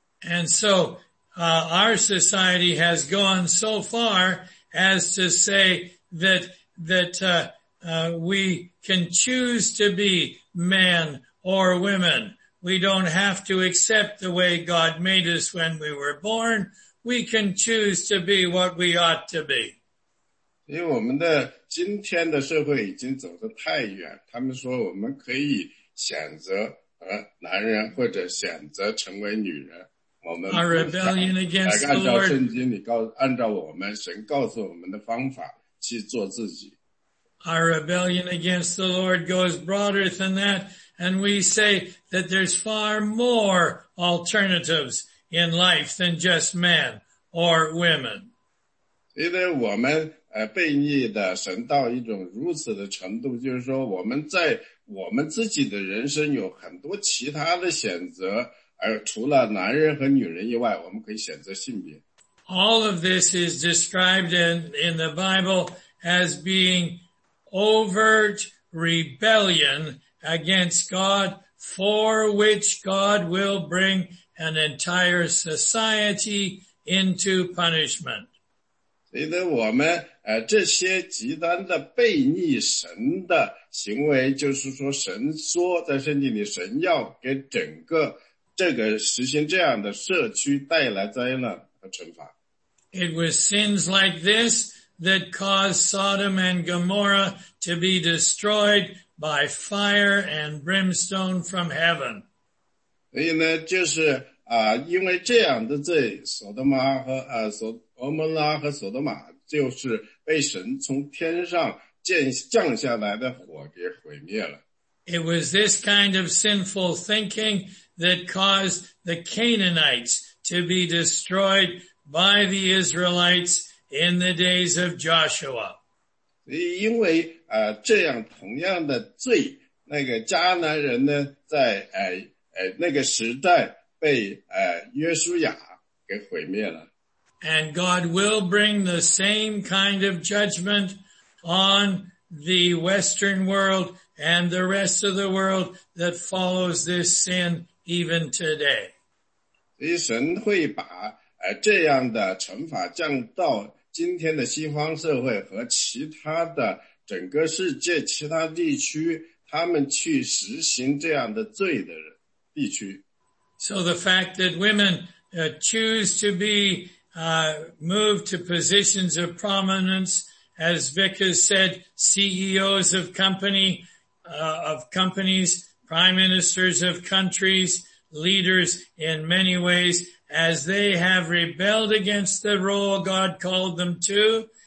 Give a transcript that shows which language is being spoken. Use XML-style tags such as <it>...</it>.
<en>And so,our society has gone so far as to say that we can choose to be men or women. We don't have to accept the way God made us when we were born. We can choose to be what we ought to be.</en> <zh>因为我们的今天的社会已经走得太远，他们说我们可以选择男人或者选择成为女人。</zh> <en>Our rebellion against the Lord.</en> <zh>按照圣经里告，按照我们神告诉我们的方法去做自己。</zh> <en>Our rebellion against the Lord goes broader than that, and we say that there's far more alternatives in life than just men or women.</en> <zh>因为我们悖逆的神到一种如此的程度，就是说我们在我们自己的人生有很多其他的选择。而除了男人和女人以外，我们可以选择性别。</zh> <en>All of this is described in the Bible as being overt rebellion against God, for which God will bring an entire society into punishment.</en> <zh>所以我们这些极端的悖逆神的行为，就是说神说在圣经里，神要给整个这个实行这样的社区带来灾难和惩罚。</zh> <en>It was sins like this that caused Sodom and Gomorrah to be destroyed by fire and brimstone from heaven.</en> <zh>所以呢，就是因为这样的罪，索多玛和俄摩拉就是被神从天上降下来的火给毁灭了。</zh> <en>It was this kind of sinful thinking. That caused the Canaanites to be destroyed by the Israelites in the days of Joshua.</en> <zh>因为这样同样的罪，那个迦南人呢，在那个时代被约书亚给毁灭了。</zh> <en>And God will bring the same kind of judgment on the Western world and the rest of the world that follows this sin. Even today.</en> <zh>所以神会把这样的惩罚降到今天的西方社会和其他的整个世界其他地区，他们去实行这样的罪的地区。</zh> <en>So the fact that women choose to be moved to positions of prominence, as Vickers said, CEOs of companies, prime ministers of countries, leaders in many ways, as they have rebelled against the role God called them to</en>